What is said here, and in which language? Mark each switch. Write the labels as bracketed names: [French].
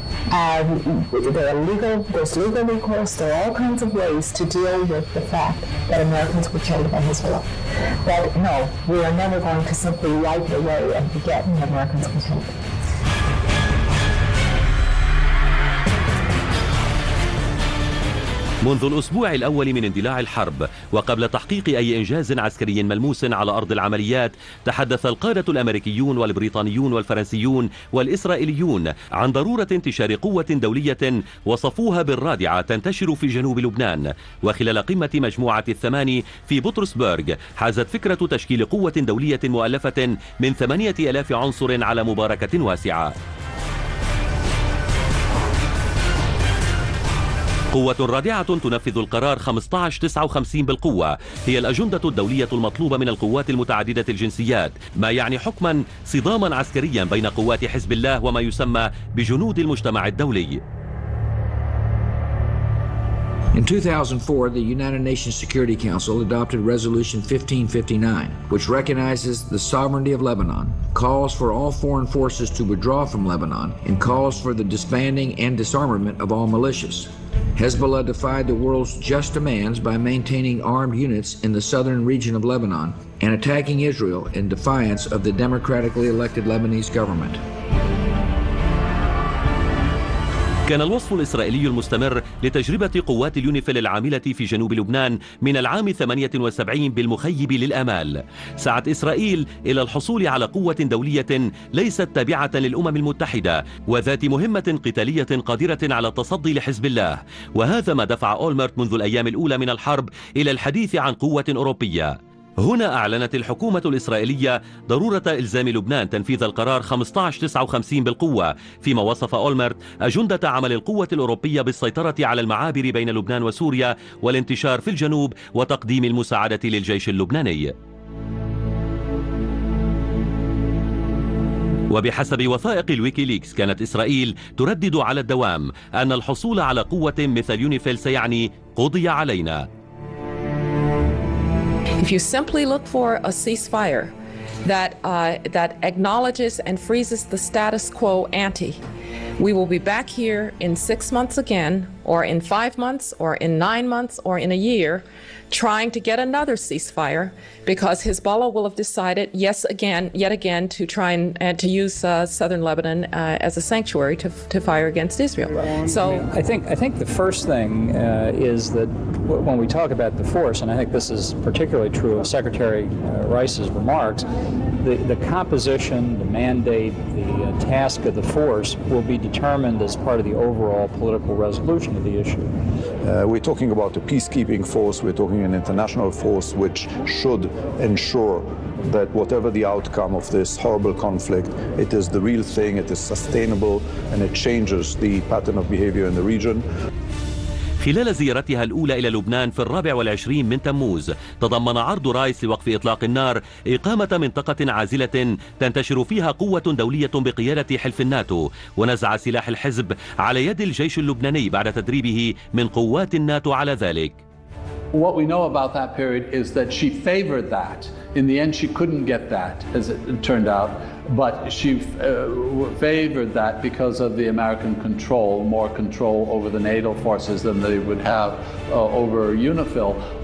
[English] There's legal recourse, there are all kinds of ways to deal with the fact that Americans were killed by Hezbollah. But no, we are never going to simply wipe away and forget that Americans were killed. [Arabic] منذ الأسبوع الأول من اندلاع الحرب وقبل تحقيق أي إنجاز عسكري ملموس على أرض العمليات، تحدث القادة الأمريكيون والبريطانيون والفرنسيون والإسرائيليون عن ضرورة انتشار قوة دولية وصفوها بالرادعة تنتشر في جنوب لبنان. وخلال قمة مجموعة الثماني في بطرسبرغ حازت فكرة تشكيل قوة دولية مؤلفة من 8000 عنصر على مباركة واسعة. قوة رادعة تنفذ القرار 1559 بالقوة هي الأجندة الدولية المطلوبة من القوات المتعددة الجنسيات، ما يعني حكما صداما عسكريا بين قوات حزب الله وما يسمى بجنود المجتمع الدولي. [English] In 2004, the United Nations Security Council adopted Resolution 1559, which recognizes the sovereignty of Lebanon, calls for all foreign forces to withdraw from Lebanon, and calls for the disbanding and disarmament of all militias. Hezbollah defied the world's just demands by maintaining armed units in the southern region of Lebanon and attacking Israel in defiance of the democratically elected Lebanese government. [Arabic] كان الوصف الإسرائيلي المستمر لتجربة قوات اليونيفيل العاملة في جنوب لبنان من العام 78 بالمخيب للأمال. سعت إسرائيل إلى الحصول على قوة دولية ليست تابعة للأمم المتحدة وذات مهمة قتالية قادرة على التصدي لحزب الله، وهذا ما دفع أولمرت منذ الأيام الأولى من الحرب إلى الحديث عن قوة أوروبية. هنا أعلنت الحكومة الإسرائيلية ضرورة إلزام لبنان تنفيذ القرار 1559 بالقوة، فيما وصف أولمرت أجندة عمل القوة الأوروبية بالسيطرة على المعابر بين لبنان وسوريا والانتشار في الجنوب وتقديم المساعدة للجيش اللبناني. وبحسب وثائق الويكيليكس، كانت إسرائيل تردد على الدوام أن الحصول على قوة مثل يونيفيل سيعني قضي علينا. [English] If you simply look for a ceasefire that that acknowledges and freezes the status quo ante, we will be back here in 6 months again, or in 5 months, or in 9 months, or in a year, trying to get another ceasefire, because Hezbollah will have decided yet again to try and to use southern Lebanon as a sanctuary to fire against Israel. So I think the first thing is that when we talk about the force, and I think this is particularly true of Secretary Rice's remarks, the composition, the mandate, the task of the force will be determined as part of the overall political resolution of the issue. We're talking about a peacekeeping force, we're talking an international force which should ensure that whatever the outcome of this horrible conflict, it is the real thing, it is sustainable, and it changes the pattern of behavior in the region. [Arabic] خلال زيارتها الأولى إلى لبنان في 24 من تموز، تضمن عرض رايس لوقف إطلاق النار إقامة منطقة عازلة تنتشر فيها قوة دولية بقيادة حلف الناتو، ونزع سلاح الحزب على يد الجيش اللبناني بعد تدريبه من قوات الناتو على ذلك. [English] What we know about that period is that she favored that. In the end, she couldn't get that, as it turned out. But she favored that because of the American control, more control over the NATO forces than they would have over UNIFIL.